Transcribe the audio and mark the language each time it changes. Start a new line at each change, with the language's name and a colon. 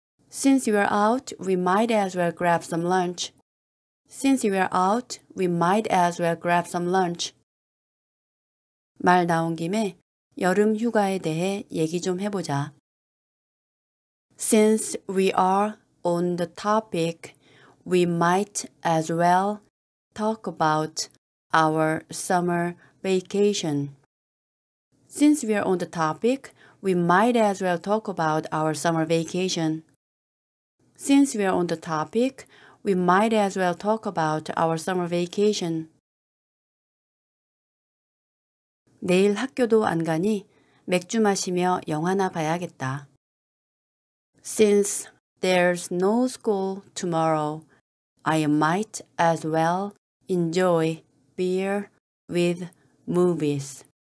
English: Since you're out, we might as well grab some lunch. Since you're out, we might as well grab some lunch.
Korean: 말 나온 김에 여름 휴가에 대해 얘기 좀 해보자.
English: Since we are on the topic, we might as well talk about our summer vacation. Since we are on the topic, we might as well talk about our summer vacation. Since we are on the topic, we might as well talk about our summer vacation.
Korean: 내일 학교도 안 가니 맥주 마시며 영화나 봐야겠다.
English: Since there's no school tomorrow, I might as well enjoy beer with movies.